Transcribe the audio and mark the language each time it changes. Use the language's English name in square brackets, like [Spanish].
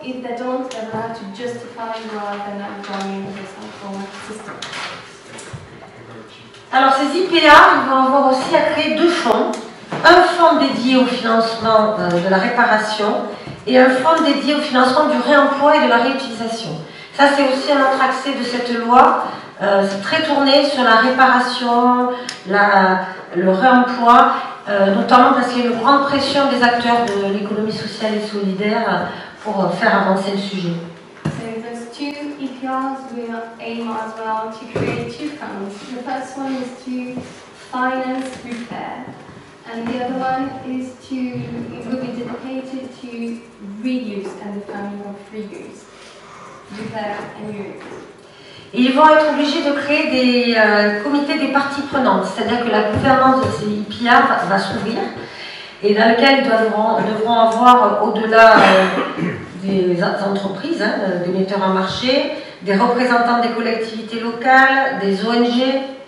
[English] If they don't, they will have to justify rather than joining the recycle system. [French] Alors, ces IPA vont avoir aussi à créer deux fonds. Un fonds dédié au financement de la réparation et un fonds dédié au financement du réemploi et de la réutilisation. Ça, c'est aussi un autre accès de cette loi. C'est très tourné sur la réparation, le réemploi, notamment parce qu'il y a une grande pression des acteurs de l'économie sociale et solidaire pour faire avancer le sujet. [English] We aim as well to create two funds. The first one is to finance repair, and the other one is to, it will be dedicated to reuse and the funding of reuse, repair and reuse. [French] Ils vont être obligés de créer des comités des parties prenantes, c'est-à-dire que la gouvernance de ces IPA va s'ouvrir et dans lequel ils devront avoir au-delà des entreprises, des metteurs en marché, des représentants des collectivités locales, des ONG.